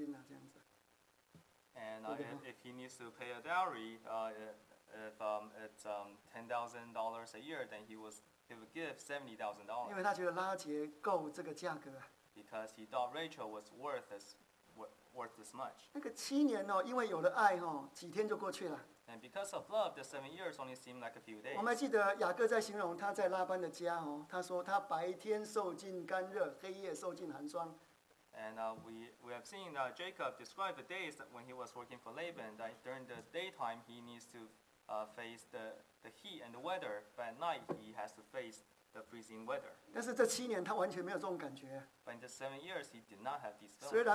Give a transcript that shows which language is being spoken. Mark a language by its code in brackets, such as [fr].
[zh] 好，如果他年薪10万的话，就是好了，给你70万块钱的聘金了，这样子。 [en] And if he needs to pay a dowry, if it's $10,000 a year, then he would give $70,000. [zh] 因为他觉得拉结够这个价格。Because [en] he thought Rachel was worth this much. [zh] 那个七年哦，因为有了爱哦，几天就过去了。And [en] because of love, the 7 years only seemed like a few days. [zh] 我们还记得雅各在形容他在拉班的家哦，他说他白天受尽干热，黑夜受尽寒霜。And [en] we have seen that Jacob described the days that when he was working for Laban, that during the daytime he needs to face the heat and the weather, but at night he has to face the freezing weather. [zh] 但是这七年他完全没有这种感觉。But [en] in the 7 years, he did not have these feelings.